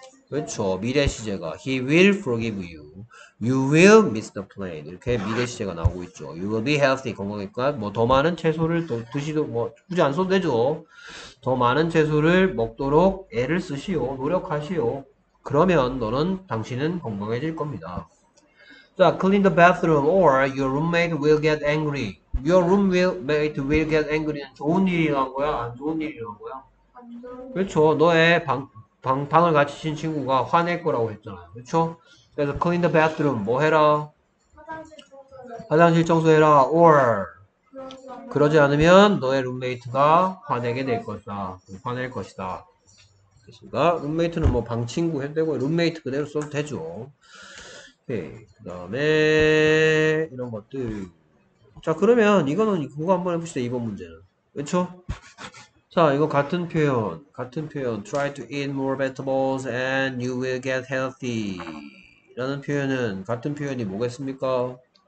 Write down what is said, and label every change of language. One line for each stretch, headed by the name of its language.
Korean: 그렇죠. 미래 시제가.
English: He will forgive you. You will miss the plane.
Korean: 이렇게 미래 시제가 나오고 있죠.
English: You will be healthy.
Korean: 건강해질까? 뭐, 더 많은 채소를, 뭐, 굳이 안 써도 되죠. 더 많은 채소를 먹도록 애를 쓰시오. 노력하시오. 그러면 너는 당신은 건강해질 겁니다.
English: 자, clean the bathroom or your roommate will get angry. Your roommate will get angry
Korean: 는 좋은 일이란 거야? 안 좋은 일이란 거야? 그렇죠. 너의 방을 같이 친 친구가 화낼 거라고 했잖아요. 그렇죠? 그래서
English: clean the bathroom
Korean: 뭐 해라? 화장실 청소해라. 화장실 청소해라. Or 그러지 않으면 너의 룸메이트가 화내게 될 것이다. 화낼 것이다. 룸메이트는 뭐 방친구 해도 되고 룸메이트 그대로 써도 되죠. 그다음에 이런 것들. 자, 그러면 이거는 그거 한번 해봅시다. 이번 문제는. 그렇죠? 자, 이거 같은 표현. 같은 표현.
English: Try to eat more vegetables and you will get healthy.
Korean: 라는 표현은 같은 표현이 뭐겠습니까?